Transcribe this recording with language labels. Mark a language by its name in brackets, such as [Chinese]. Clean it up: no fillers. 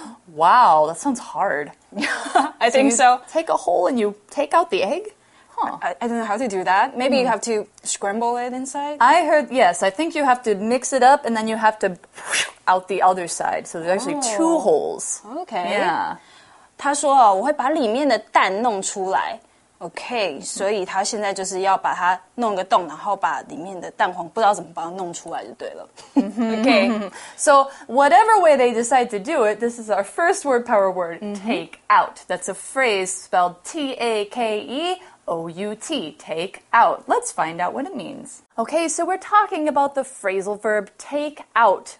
[English] Wow, that sounds hard. I think so. Take a hole and you take out the egg? Huh. I don't know how to do that. Maybe you have to scramble it inside? I heard, yes, I think you have to mix it up and then you have to out the other side. So there's actually two holes. Okay. Yeah. [Chinese] 他说哦，我会把里面的蛋弄出来。Okay, 所以他现在就是要把它弄个洞，然后把里面的蛋黄不知道怎么把它弄出来就对了。 [English] Okay, so whatever way they decide to do it, this is our first word power word, take out. That's a phrase spelled T-A-K-E-O-U-T, take out. Let's find out what it means. Okay, so we're talking about the phrasal verb take out.